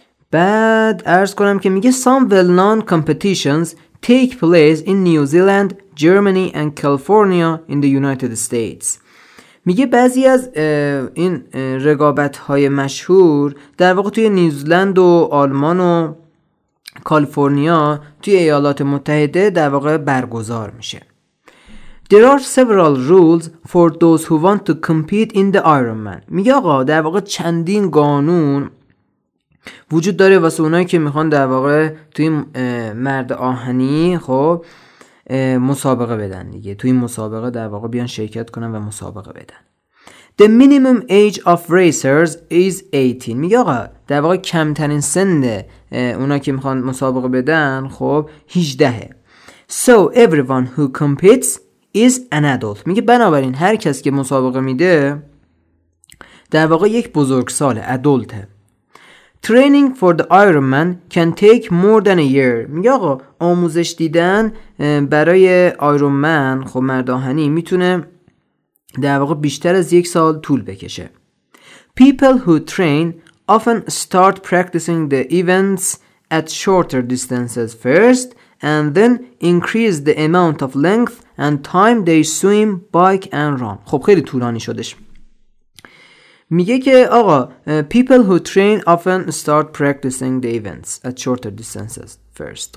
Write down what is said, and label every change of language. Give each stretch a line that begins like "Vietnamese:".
Persian: بعد عرض کنم که میگه
English: some well-known competitions take place in New Zealand, Germany and California in the United States.
Persian: میگه بعضی از این رقابت‌های مشهور در واقع توی نیوزلند و آلمان و کالیفرنیا توی ایالات متحده در واقع برگزار میشه.
English: There are several rules for those who want to compete in the Ironman.
Persian: میگه آقا در واقع چندین قانون وجود داره واسه اونایی که میخوان در واقع توی مرد آهنی خب مسابقه بدن دیگه، توی مسابقه در واقع بیان شرکت کنن و مسابقه بدن.
English: The minimum age of racers is 18.
Persian: میگه آقا در واقع کمترین سن اونا که میخوان مسابقه بدن خب 18.
English: So everyone who competes is an adult.
Persian: میگه بنابراین هر کس که مسابقه میده در واقع یک بزرگسال ادلته.
English: Training for the Ironman can take more than a year.
Persian: میگه آقا آموزش دیدن برای آیرونمن خب مرد آهنی میتونه در واقع بیشتر از یک سال طول بکشه.
English: People who train often start practicing the events at shorter distances first and then increase the amount of length and time they swim, bike and run.
Persian: خب خیلی طولانی شدش. میگه که آقا
English: people who train often start practicing the events at shorter distances first.